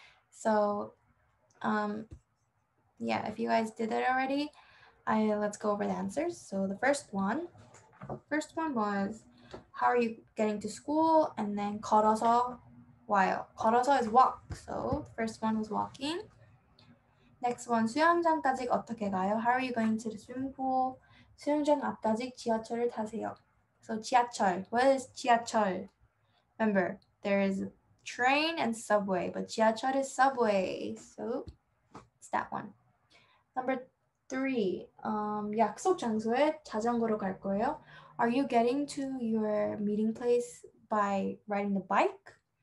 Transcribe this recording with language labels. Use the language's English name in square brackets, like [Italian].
[English] So yeah, if you guys did that already, let's go over the answers. So the first one was, how are you getting to school? And then [Korean] 걸어서 와요. [English] 걸어서 is walk. So the first one was walking. Next one, [Korean] 수영장까지 어떻게 가요? [English] How are you going to the swimming pool? [Korean] 수영장 앞까지 지하철을 타세요. [English] So 지하철. What is 지하철? Remember, there is train and subway, but 지하철 is subway. So it's that one. Number three, [Korean] 약속 장소에 자전거로 갈 거예요. [English] Are you getting to your meeting place by riding the bike?